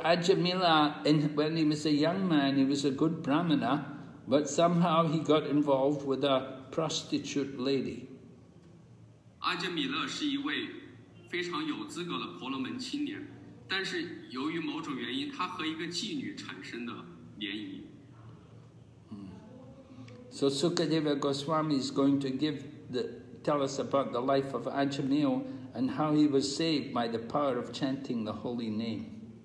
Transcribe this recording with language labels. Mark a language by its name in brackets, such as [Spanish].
[English] Ajamila, when he was a young man, he was a good brahmana, but somehow he got involved with a prostitute lady. [Chinese] Ajamila 是一位非常有资格的婆罗门青年，但是由于某种原因，他和一个妓女产生了联谊。 [English] So Sukadeva Goswami is going to tell us about the life of Ajamila and how he was saved by the power of chanting the holy name.